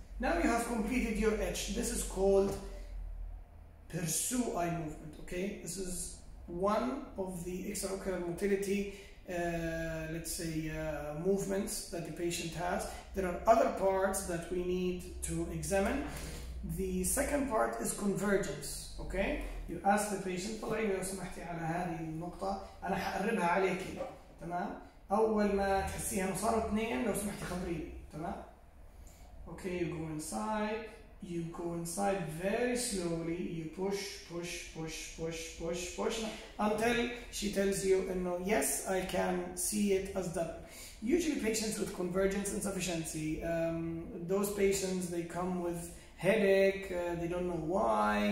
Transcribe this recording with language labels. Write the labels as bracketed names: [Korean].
[English] Now you have completed your edge. This is called pursue eye movement, okay? This is one of the extraocular motility, let's say, movements that the patient has. There are other parts that we need to examine. The second part is convergence, okay? You ask the patient, [Arabic] طلعي لو سمحتي على هذه النقطة، أنا حقربها عليكي، تمام؟ أول ما تحسيها صاروا اثنين، لو سمحتي خبريني، تمام؟ [English] Okay, you go inside. You go inside very slowly. You push, push, push, push, push, push until she tells you, "And no, yes, I can see it as done." Usually, patients with convergence insufficiency, those patients, they come with headache. They don't know why.